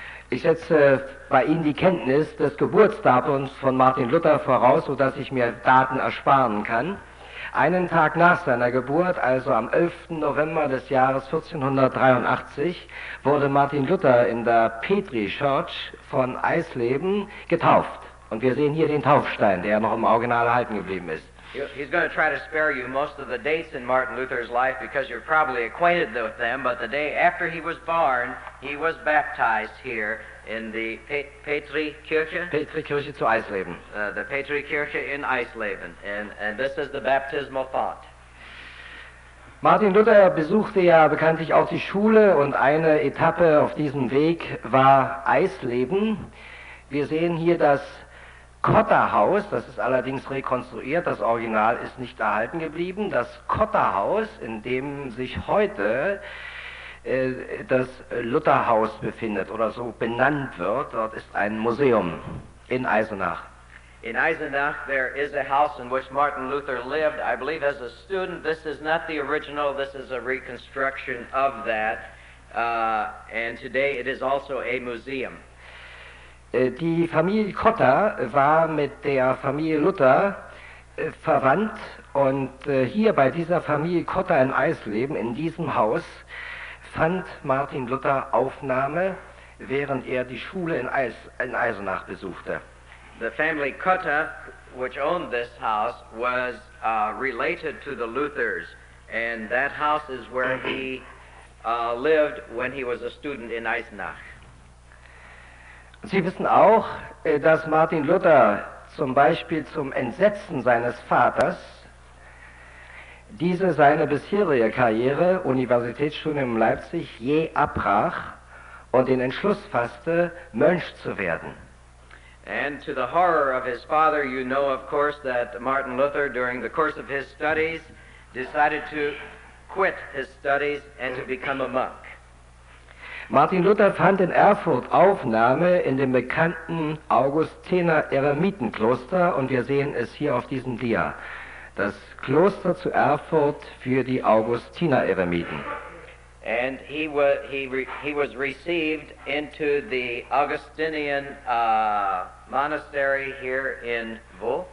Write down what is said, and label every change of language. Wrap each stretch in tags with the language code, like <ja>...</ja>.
<de>Ich setze bei Ihnen die Kenntnis des Geburtsdatums von Martin Luther voraus, sodass ich mir Daten ersparen kann. Einen Tag nach seiner Geburt, also am 11. November des Jahres 1483, wurde Martin Luther in der Petri Church von Eisleben getauft. Und wir sehen hier den Taufstein, der noch im Original erhalten geblieben ist.</de> <en>He's going to try to spare you most of the dates in Martin Luther's life because you're probably acquainted with them, but the day after he was born, he was baptized here in the Petrikirche.</en> <de>Petrikirche zu Eisleben.</de> <en>The Petrikirche in Eisleben. And this is the baptismal font.</en> <de>Martin Luther besuchte ja bekanntlich auch die Schule und eine Etappe auf diesem Weg war Eisleben. Wir sehen hier das Kotterhaus, das ist allerdings rekonstruiert, das Original ist nicht erhalten geblieben. Das Kotterhaus, in dem sich heute das Lutherhaus befindet oder so benannt wird, dort ist ein Museum in Eisenach.</de> <en>In Eisenach, there is a house in which Martin Luther lived. I believe as a student, this is not the original, this is a reconstruction of that. And today it is also a museum.</en> <de>Die Familie Kotter war mit der Familie Luther verwandt und hier bei dieser Familie Kotter in Eisleben, in diesem Haus, fand Martin Luther Aufnahme, während er die Schule in Eisenach besuchte.</de> <en>The family Kotter, which owned this house, was related to the Luthers, and that house is where he lived when he was a student in Eisenach.</en> <de>Sie wissen auch, dass Martin Luther zum Beispiel zum Entsetzen seines Vaters diese seine bisherige Karriere, Universitätsstudium in Leipzig, jäh abbrach und den Entschluss fasste, Mönch zu werden.</de> <en>And to the horror of his father, you know of course that Martin Luther during the course of his studies decided to quit his studies and to become a monk.</en> <de>Martin Luther fand in Erfurt Aufnahme in dem bekannten Augustiner Eremitenkloster und wir sehen es hier auf diesem Dia. Das Kloster zu Erfurt für die Augustiner Eremiten.</de> <en>And he was received into the Augustinian monastery here in wo?</en>